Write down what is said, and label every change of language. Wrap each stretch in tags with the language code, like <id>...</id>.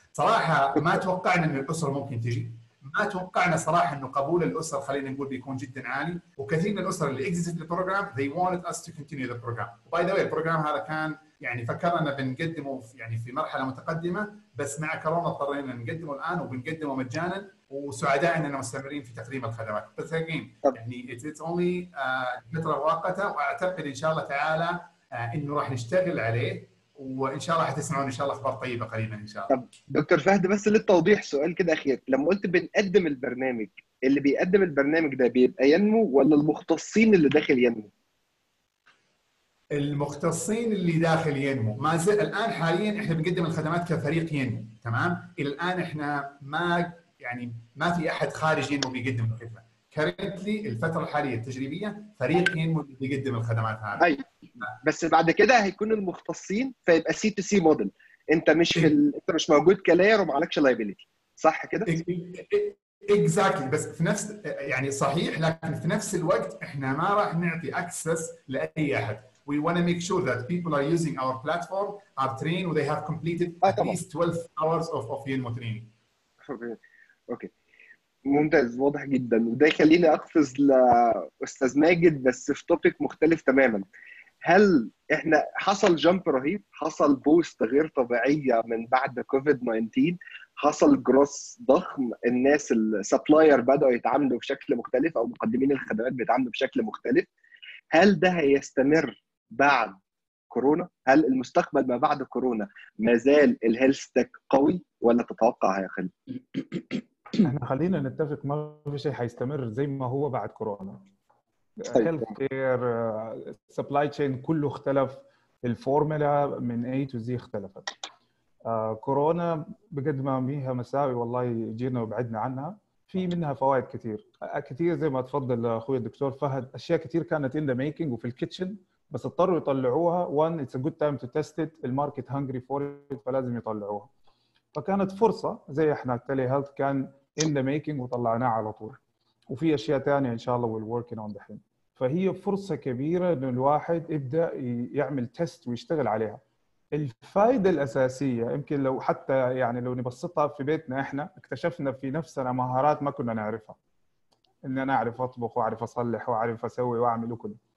<ar>صراحة ما توقعنا أن الأسرة ممكن تجي، ما توقعنا صراحة أنه قبول الأسرة خلينا نقول بيكون جدا عالي. وكثير من الأسرة اللي</ar> <en>exited the program they wanted us to continue the program. By the way،</en> <ar>البروغرام هذا كان يعني فكرنا بنقدمه يعني في مرحله متقدمه، بس مع كورونا اضطرينا نقدمه الان وبنقدمه مجانا، وسعداء اننا مستمرين في تقديم الخدمات. بس هجين يعني</ar> <en>it's only</en> <ar>فتره مؤقته، واعتقد ان شاء الله تعالى انه راح نشتغل عليه، وان شاء الله حتسمعون ان شاء الله اخبار طيبه قريبا ان شاء الله. طب دكتور فهد، بس للتوضيح سؤال كده اخير، لما قلت بنقدم البرنامج، اللي بيقدم البرنامج ده بيبقى ينمو ولا المختصين اللي داخل ينمو؟ المختصين اللي داخل ينمو. ما زال الان حاليا احنا بنقدم الخدمات كفريق ينمو، تمام؟ الان احنا ما يعني ما في احد خارج ينمو بيقدم الخدمه. كرنتلي الفتره الحاليه التجريبيه فريق ينمو بيقدم الخدمات هذه. أي. بس بعد كده هيكون المختصين، فيبقى سي تو سي موديل، انت مش في انت مش موجود كلاير ومعلكش لايبيليتي، صح كده؟</ar> <en>Exactly.</en> <ar>بس في نفس يعني صحيح، لكن في نفس الوقت احنا ما راح نعطي اكسس لاي احد.</ar> <en>We want to make sure that people are using our platform, are trained, or they have completed at least 12 hours of Yenmo training.</en> <ar>Okay. ممتاز، واضح جدا. وده يخليني اقفز لاستاذ ماجد، بس في توبيك مختلف تماما. هل احنا حصل جامب رهيب، حصل بوست غير طبيعيه من بعد كوفيد 19، حصل جروس ضخم، الناس السبلاير بداوا يتعاملوا بشكل مختلف، او مقدمين الخدمات بيتعاملوا بشكل مختلف، هل ده هيستمر بعد كورونا؟ هل المستقبل ما بعد كورونا ما زال الهيلثتك قوي ولا تتوقع هيخل؟ احنا خلينا نتفق، ما في شيء هيستمر زي ما هو بعد كورونا. الهيلثكير سبلاي تشين كله اختلف، الفورمولا من A to Z اختلفت. كورونا بقد ما فيها مساوي والله جينا وبعدنا عنها، في منها فوائد كثير كثير، زي ما تفضل اخوي الدكتور فهد، اشياء كثير كانت</ar> <en>in the making</en> <ar>وفي الكيتشن، بس اضطروا يطلعوها.</ar> <en>one it's a good time to test it، الماركت hungry for it,</en> <ar>فلازم يطلعوها. فكانت فرصه، زي احنا التلي هيلث كان</ar> <en>in the making</en> <ar>وطلعناها على طول، وفي اشياء ثانيه ان شاء الله</ar> <en>we're working on</en> <ar>دحين. فهي فرصه كبيره ان الواحد يبدا يعمل تيست ويشتغل عليها. الفائدة الأساسية يمكن لو حتى يعني لو نبسطها، في بيتنا إحنا اكتشفنا في نفسنا مهارات ما كنا نعرفها، إن أنا أعرف أطبخ وأعرف أصلح وأعرف أسوي وأعمل وكل.</ar>